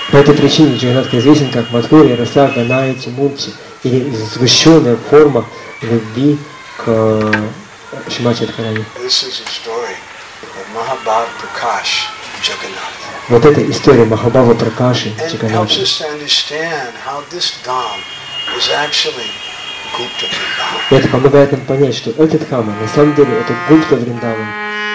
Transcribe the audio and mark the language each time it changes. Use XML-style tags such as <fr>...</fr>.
<ru>По этой причине Джаганатха известен как Мадхурья Раса Ганаити Мурти, или сгущенная форма любви к Шрима Чайтанье.</ru> <en>This is a story of Mahabhava Prakash Jagannath.</en> <ru>Вот это история Махабхава Пракаши Джаганатха.</ru> <en>It helps us to understand how this dham is actually Gupta Vrindavan.</en> <ru>Это помогает нам понять, что этот дхама на самом деле это Гупта Вриндаван.</ru>